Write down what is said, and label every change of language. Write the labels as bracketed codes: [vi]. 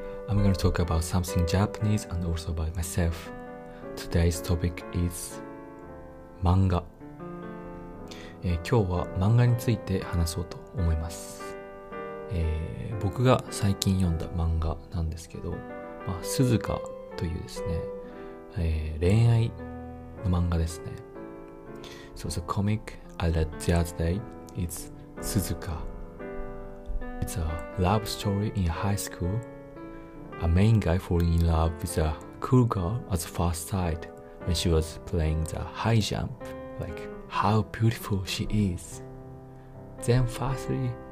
[en] I'm going to talk about something Japanese and also about myself. Today's topic is manga. [ja] 今日は漫画について話そうと思います。僕が最近読んだ漫画なんですけど、鈴鹿というですね、恋愛の漫画ですね。 [en] So the comic I read the other day is Suzuka. It's a love story in high school. A main guy falling in love with a cool girl at the first sight when she was playing the high jump. Like, how beautiful she is. Then firstly,